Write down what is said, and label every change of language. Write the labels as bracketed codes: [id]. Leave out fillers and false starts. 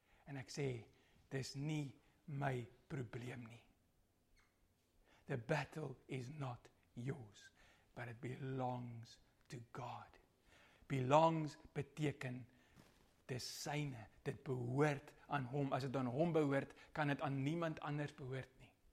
[af] en ek sê, dis nie my probleem nie. [en] The battle is not yours, but it belongs to God. [af] Belongs beteken, dis syne, dit behoort aan hom. As dit aan hom behoort, kan dit aan niemand anders behoort nie.